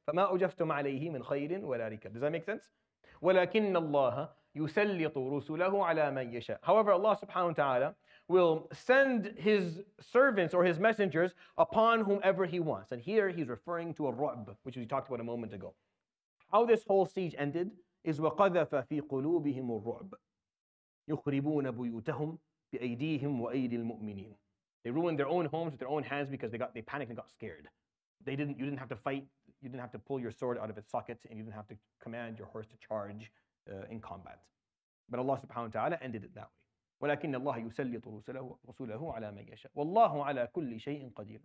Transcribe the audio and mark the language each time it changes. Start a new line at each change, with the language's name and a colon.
Arabic: فَمَا أُجَفْتُمْ عَلَيْهِ مِنْ خَيْرٍ وَلَا رِكَبٍ.
English: Does that make sense?
Arabic: وَلَكِنَّ اللَّهَ يُسَلِّطُ رُسُلَهُ عَلَى مَنْ يَشَاءُ.
English: However, Allah subhanahu wa ta'ala will send his servants or his messengers upon whomever he wants. And here he's referring to a ru'b, which we talked about a moment ago. How this whole siege ended is
Arabic: وَقَذَفَ فِي قُلُوبِهِمُ الرُّعْبِ يُخْرِبُونَ بُيُوتَهُمْ بِأَيْدِيهِمْ وَأَيْدِي الْمُؤْمِنِينَ.
English: They ruined their own homes with their own hands because they panicked and got scared. You didn't have to fight, you didn't have to pull your sword out of its socket, and you didn't have to command your horse to charge in combat. But Allah subhanahu wa ta'ala ended it that way.
Arabic: وَلَكِنَّ اللَّهَ يُسَلِّطُ رُسُلَهُ عَلَى مَنْ يَشَاءُ وَاللَّهُ عَلَى كُلِّ شَيْءٍ قَدِيرٌ.